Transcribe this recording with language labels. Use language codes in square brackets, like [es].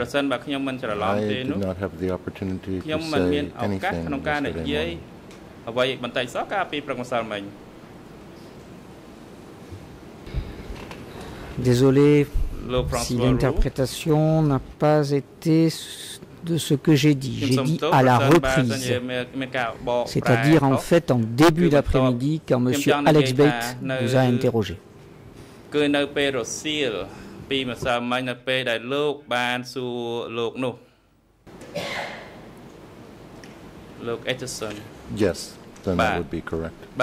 [en] I did not have the opportunity to say anything yesterday morning. [fr] Désolé si l'interprétation n'a pas été de ce que j'ai dit. J'ai dit à la reprise, c'est-à-dire en fait en début d'après-midi quand M. Alex Bates nous a interrogé. [en] Yes, then that would be correct.